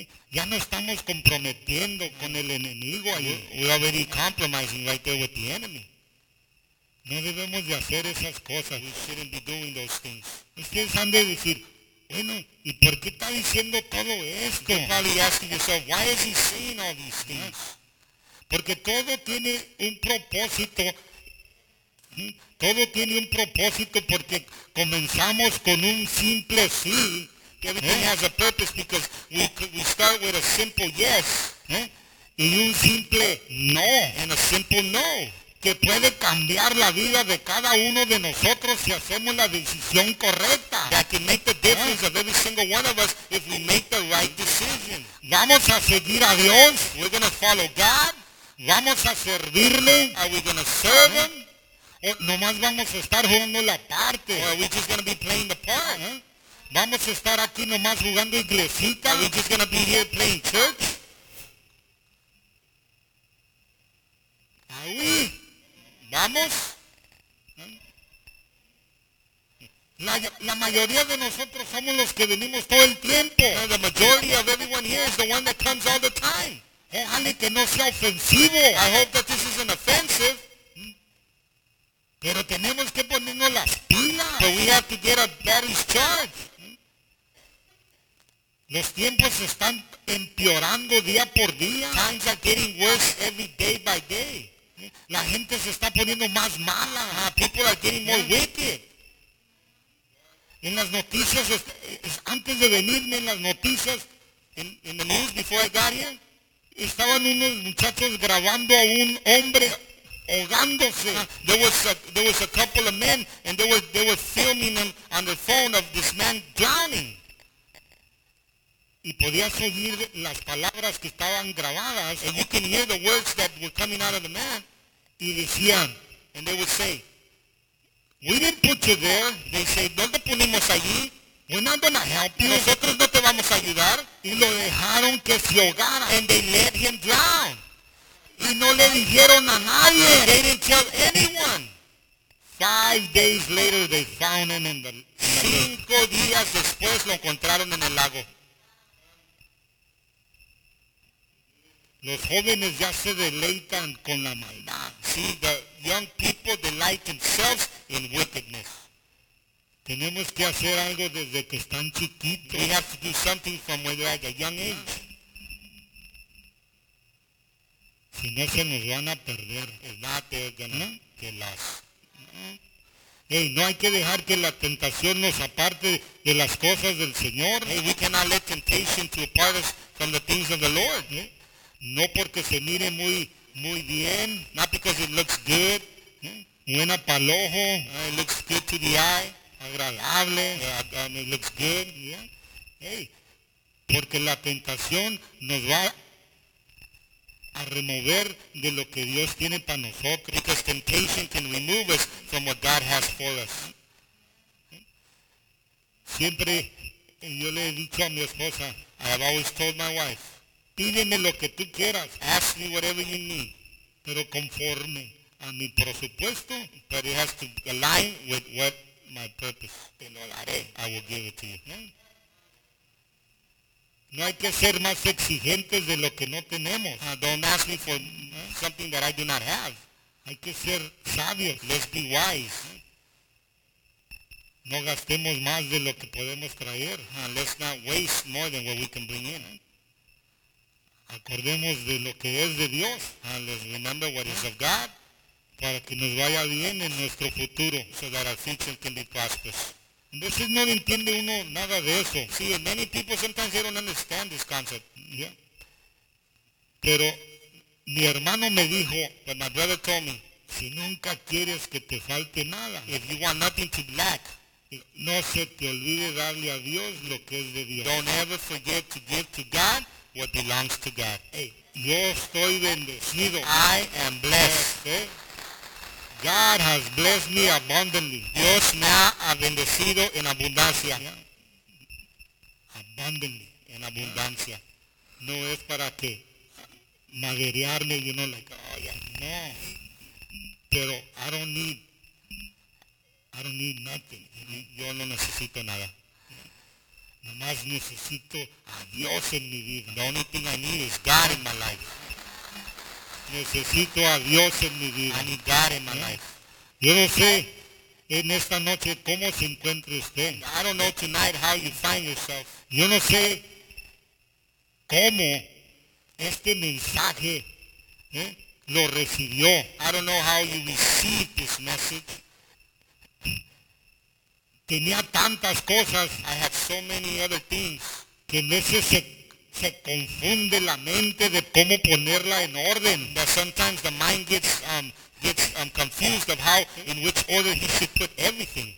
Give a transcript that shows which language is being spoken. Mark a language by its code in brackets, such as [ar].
[es] Ya no estamos comprometiendo con el enemigo ahí. [en] We're already compromising right there with the enemy. [es] No debemos de hacer esas cosas. [en] We shouldn't be doing those things. [es] Ustedes han de decir, bueno, ¿y por qué está diciendo todo esto? [en] You're probably asking yourself, why is he saying all these things? [es] Porque todo tiene un propósito. Todo tiene un propósito porque comenzamos con un simple sí. [en] Everything has a purpose because we start with a simple yes, [es] y un simple no, [en] and a simple no, [es] que puede cambiar la vida de cada uno de nosotros si hacemos la decisión correcta. [en] That can make the difference of every single one of us if we make the right decision. [es] Vamos a seguir a Dios. [en] We're going to follow God. [es] Vamos a servirle. [en] Are we going to serve him? [es] O nomás vamos a estar jugando la parte. [en] Or are we just going to be playing the part? [es] Vamos a estar aquí nomás jugando iglesita. [en] Are we just gonna be here playing church? [es] Ahí. Vamos. La mayoría de nosotros somos los que venimos todo el tiempo. [en] The majority of everyone here is the one that comes all the time. [es] Ojalá que no sea ofensivo. [en] I hope that this isn't offensive. [es] Pero tenemos que ponernos las pilas. [en] But we have to get our batteries charged. [es] Los tiempos están empeorando día por día. [en] Times are getting worse every day by day. [es] La gente se está poniendo más mala. [en] People are getting more wicked. [es] En las noticias, antes de venirme en las noticias, [en] in the news before I got here, [es] estaban unos muchachos grabando a un hombre ahogándose. [en] There was a couple of men, and they were filming them on the phone of this man drowning. [es] Y podías oír las palabras que estaban grabadas. [en] And you can hear the words that were coming out of the man. [es] Y decían, [en] and they would say, we didn't put you there. They say, [es] no te ponimos allí. [en] We're not going to help you. [es] Nosotros no te vamos a ayudar. Y lo dejaron que se ahogara. [en] And they let him drown. [es] Y no le dijeron a nadie. [en] And they didn't tell anyone. 5 days later, they found him in the lake. [es] 5 días después lo encontraron en el lago. Los jóvenes ya se deleitan con la maldad. [en] See, the young people delight themselves in wickedness. [es] Tenemos que hacer algo desde que están chiquitos. [en] We have to do something from when they're at a young age. [es] Si no, se nos van a perder. [en] If not, they're gonna get lost. [es] Hey, no hay que dejar que la tentación nos aparte de las cosas del Señor. [en] Hey, we cannot let temptation to apart us from the things of the Lord. [es] No porque se mire muy, muy bien. [en] Not because it looks good. [es] Buena pa'l ojo. [en] It looks good to the eye. [es] Agradable. [en] It looks good. Hey. [es] Porque la tentación nos va a remover de lo que Dios tiene para nosotros. [en] Because temptation can remove us from what God has for us. [es] Siempre yo le he dicho a mi esposa. [en] I have always told my wife. [es] Pídeme lo que tú quieras. [en] Ask me whatever you need. [es] Pero conforme a mi presupuesto. [en] But it has to align with what my purpose. [es] Te lo daré. [en] I will give it to you. [es] No hay que ser más exigentes de lo que no tenemos. [en] Don't ask me for something that I do not have. [es] Hay que ser sabios. [en] Let's be wise. [es] No gastemos más de lo que podemos traer. [en] Let's not waste more than what we can bring in. [es] Acordemos de lo que es de Dios. [en] Let's remember what is of God. [es] Para que nos vaya bien en nuestro futuro. [en] So that our future can be prosperous. [es] A veces no entiende uno nada de eso. [en] See, and many people sometimes they don't understand this concept. [es] Yeah. Pero mi hermano me dijo, [en] but my brother told me, [es] si nunca quieres que te falte nada, [en] if you want nothing to lack, [es] no se te olvide darle a Dios lo que es de Dios. [en] Don't ever forget to give to God what belongs to God. [es] Hey, yo estoy bendecido. [en] I am blessed. Okay. God has blessed me abundantly. [es] Dios me ha bendecido en abundancia. [en] Yeah. Abundantly, [es] en abundancia. No es para que maderearme, [en] you know, like, oh yeah. [es] No. Pero [en] I don't need nothing. [es] Yo no necesito nada. Nomás necesito a Dios en mi vida. [en] The only thing I need is God in my life. [es] Necesito a Dios en mi vida. [en] I need God in my life. [es] Yo no sé en esta noche cómo se encuentra usted. [en] I don't know tonight how you find yourself. [es] Yo no sé cómo este mensaje lo recibió. [en] I don't know how you received this message. [es] Tenía tantas cosas. [en] I had so many other things. [es] Que en veces se confunde la mente de cómo ponerla en orden. [en] That sometimes the mind gets confused of how, in which order he should put everything.